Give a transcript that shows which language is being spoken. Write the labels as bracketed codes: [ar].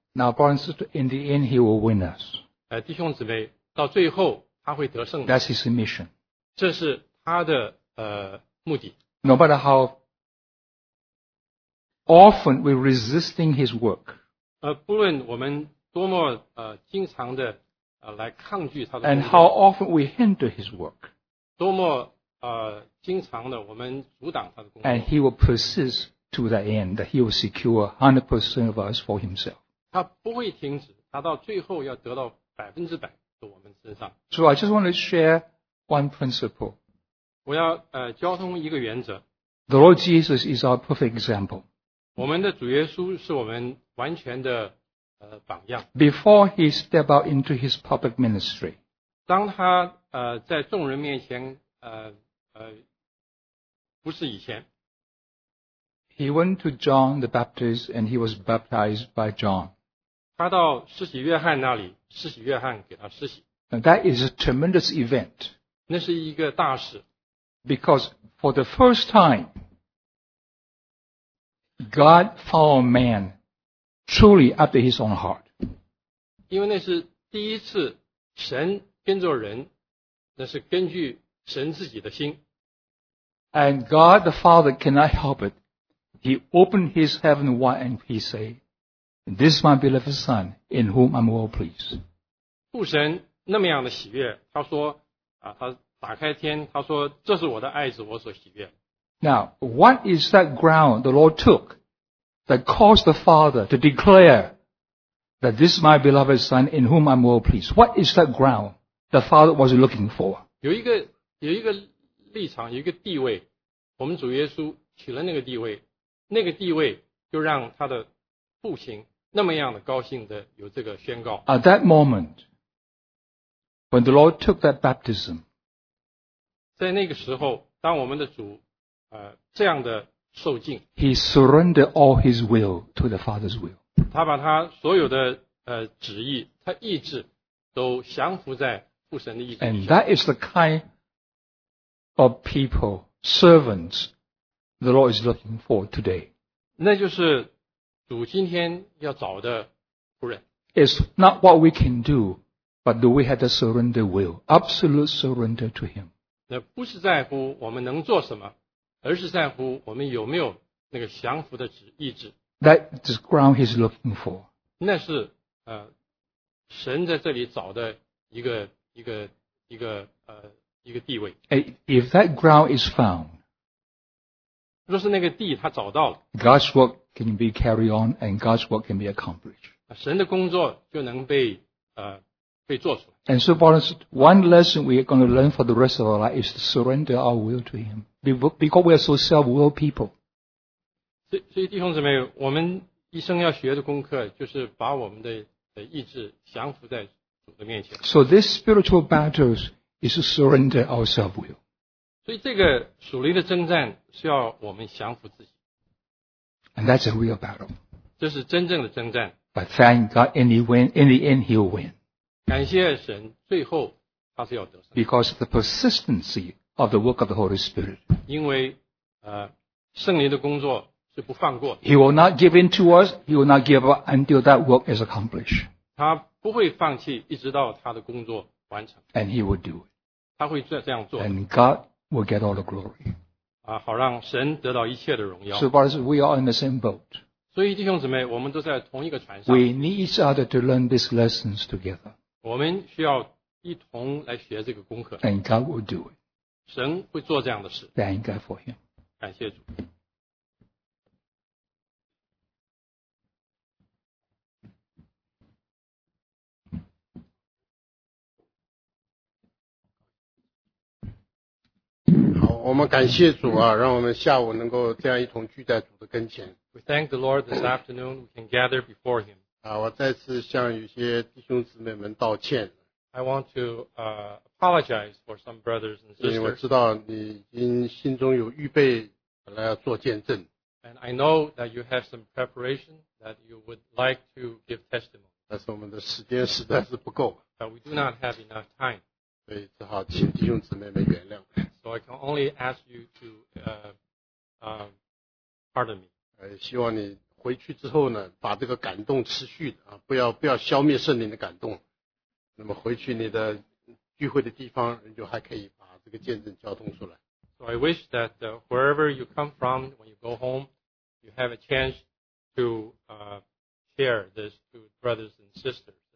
[en] Now, brothers and sisters, in the end, He will win us. [zh] 弟兄姊妹, 到最后, 他会得胜的, [en] that's His mission. [zh] 这是他的, [en] no matter how often we're resisting His work, [zh] 不论我们多么, 经常的, 来抗拒他的工作, [en] and how often we hinder His work, [zh] 多么, 经常的我们阻挡他的工作, [en] and He will persist to the end that He will secure 100% of us for Himself. [zh] 他不会停止, 他到最后要得到100%。 [en] So I just want to share one principle. [zh] 我要, 交通一个原则。 [en] The Lord Jesus is our perfect example. [zh] 我们的主耶稣是我们完全的, 榜样。 [en] Before He stepped out into His public ministry, [zh] 当他, 在众人面前, 不是以前, [en] He went to John the Baptist and He was baptized by John. [zh] 他到施洗约翰那里, [en] and that is a tremendous event. [zh] 那是一个大事, [en] because for the first time, God found man truly after His own heart. [zh] 因为那是第一次神跟着人, 那是根据神自己的心。 [en] And God the Father cannot help it. He opened His heaven wide and He said, This is my beloved son, in whom I'm well pleased. [zh] 父神那么样的喜悦，他说，啊，他打开天，他说，这是我的爱子，我所喜悦。 [en] Now, what is that ground the Lord took that caused the Father to declare that this is my beloved son in whom I'm well pleased? What is that ground the Father was looking for? [zh] 有一个立场，有一个地位，我们主耶稣取了那个地位，那个地位就让他的父亲那么样的高兴的有这个宣告。 [en] At that moment, when the Lord took that baptism, [zh] 在那个时候，当我们的主这样的受浸， [en] He surrendered all his will to the Father's will. [zh] 他把他所有的旨意，他意志都降服在父神的意志。 [en] And that is the kind of people, servants, the Lord is looking for today. [zh] 那就是主今天要找的仆人。 [en] It's not what we can do, but do we have the surrender will, absolute surrender to Him. [zh] 那不是在乎我们能做什么。而是在乎我们有没有那个降服的意志。 [en] That is ground he's looking for. [zh] 那是神在这里找的一个地位。 [en] If that ground is found, [zh] 若是那个地他找到了， [en] God's work can be carried on and God's work can be accomplished. [zh] 神的工作就能被做出来。 [en] And so, one lesson we are going to learn for the rest of our life is to surrender our will to Him. Because we are so self-willed people. [zh] 所以弟兄姊妹，我们一生要学的功课就是把我们的意志降服在主的面前。 [en] So this spiritual battle is to surrender our self-will. [zh] 所以这个属灵的征战是要我们降服自己。 [en] And that's a real battle. [zh] 这是真正的征战。 [en] But thank God, in the end, He'll win. [zh] 感谢神，最后他是要得胜。 [en] Because of the persistency of the work of the Holy Spirit. [zh] 因为圣灵的工作是不放过的。 [en] He will not give in to us. He will not give up until that work is accomplished. [zh] 他不会放弃，一直到他的工作完成。 [en] And He will do it. [zh] 他会这样做。 [en] And God will get all the glory. [zh] 好让神得到一切的荣耀。 [en] So brothers, we are in the same boat. [zh] 所以弟兄姊妹，我们都在同一个船上。 [en] We need each other to learn these lessons together. [zh] 我们需要一同来学这个功课。 [en] And God will do it. [zh] 神会做这样的事。 [en] Thank God for Him. [zh] 感谢主。好，我们感谢主啊，让我们下午能够这样一同聚在主的跟前。 [en] We thank the Lord this afternoon. We can gather before Him. [zh] 我再次向有些弟兄姊妹们道歉。 [en] I want to apologize for some brothers and sisters. [zh] 因为我知道你因心中有预备来要做见证。 [en] And I know that you have some preparation that you would like to give testimony. [zh] 但是我们的时间实在是不够。 [en] But we do not have enough time. [zh] 所以只好请弟兄姊妹们原谅。 [en] So I can only ask you to pardon me. [zh] 希望你回去之后呢，把这个感动持续的啊，不要消灭圣灵的感动。那么回去你的聚会的地方，人就还可以把这个见证交通出来。 [en] So I wish that wherever you come from, when you go home, you have a chance to share this to brothers and sisters.